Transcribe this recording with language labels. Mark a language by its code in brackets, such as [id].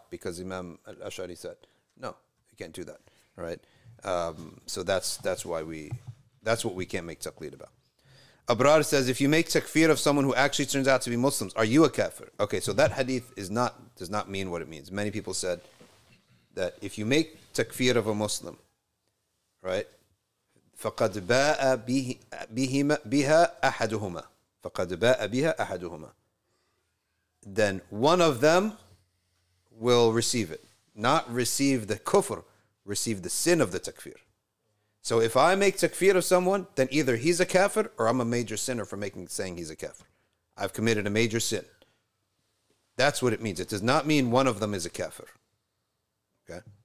[en] Because Imam al-Ash'ari said, no, you can't do that. All right. So that's why that's what we can't make taqlid about. Abrar says, if you make takfir of someone who actually turns out to be Muslims, are you a kafir? Okay, so that hadith is not does not mean what it means. Many people said that if you make takfir of a Muslim, right? [ar] فَقَدْ بَاءَ بِهَا أَحَدُهُمَا فَقَدْ بَاءَ بِهَا أَحَدُهُمَا [en] then one of them will receive it. Not receive the kufr, receive the sin of the takfir. So if I make takfir of someone, then either he's a kafir or I'm a major sinner for making saying he's a kafir. I've committed a major sin. That's what it means. It does not mean one of them is a kafir. Okay?